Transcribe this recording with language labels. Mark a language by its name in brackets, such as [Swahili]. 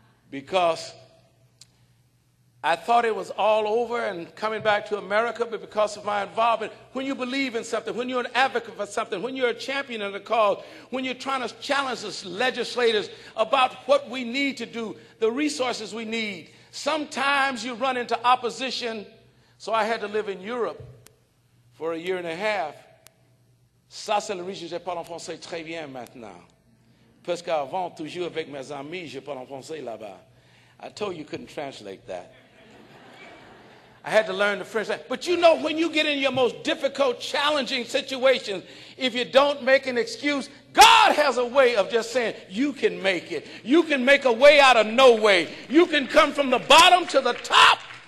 [English] Because I thought it was all over and coming back to America, but because of my involvement, when you believe in something, when you're an advocate for something, when you're a champion of the cause, when you're trying to challenge us legislators about what we need to do, the resources we need, sometimes you run into opposition. So I had to live in Europe for a year and a half. [French] Ça, c'est la région, je parle en français très bien maintenant. Parce qu'avant, toujours avec mes amis, je parle en français là-bas. [English] I told you couldn't translate that. I had to learn the French language. But you know, when you get in your most difficult, challenging situations, if you don't make an excuse, God has a way of just saying, you can make it. You can make a way out of no way. You can come from the bottom to the top.